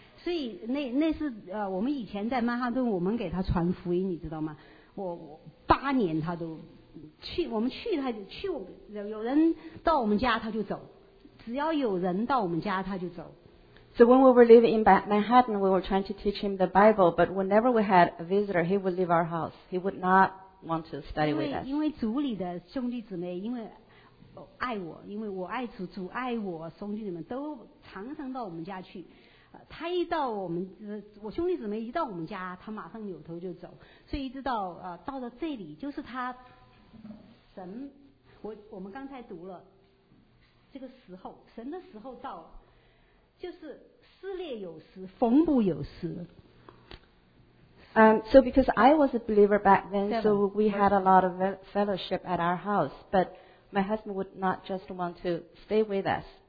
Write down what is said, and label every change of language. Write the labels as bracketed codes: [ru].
[zh] 所以那是我们以前在曼哈顿，我们给他传福音，你知道吗？我八年他都去，我们去他就去，有人到我们家他就走，只要有人到我们家他就走。 [en] So when we were living in Manhattan, we were trying to teach him the Bible, but whenever we had a visitor, he would leave our house. He would not. Want to study with us. [zh] 因为主里的兄弟姊妹因为爱我，因为我爱主，主爱我，兄弟姊妹都常常到我们家去。他一到我们，我兄弟姊妹一到我们家，他马上扭头就走。所以一直到了这里，就是他神，我们刚才读了这个时候，神的时候到了，就是撕裂有时，缝补有时。 [en] So because I was a believer back then, so we had a lot of fellowship at our house, but my husband would not just want to stay with us.